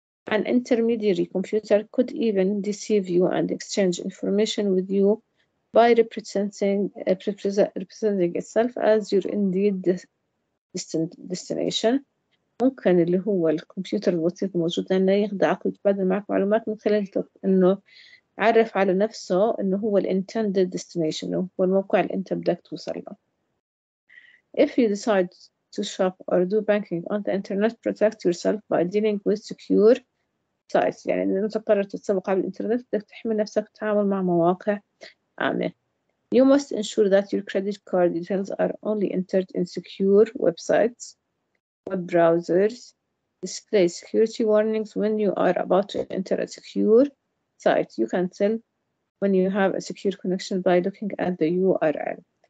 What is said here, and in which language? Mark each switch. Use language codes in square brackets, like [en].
[en] An intermediary computer could even deceive you and exchange information with you by representing itself as your indeed destination. [ar] ممكن اللي هو الكمبيوتر الوسيط الموجود إنه يخدع عقل يتبادل معك معلومات من خلال إنه عرف على نفسه إنه هو intended destination هو الموقع اللي أنت بدك توصل له. [en] If you decide to shop or do banking on the internet, protect yourself by dealing with secure sites. [ar] يعني إذا أنت قررت تتسوق على الإنترنت بدك تحمي نفسك وتتعامل مع مواقع آمنة. [en] You must ensure that your credit card details are only entered in secure websites, web browsers. Display security warnings when you are about to enter a secure site. You can tell when you have a secure connection by looking at the URL.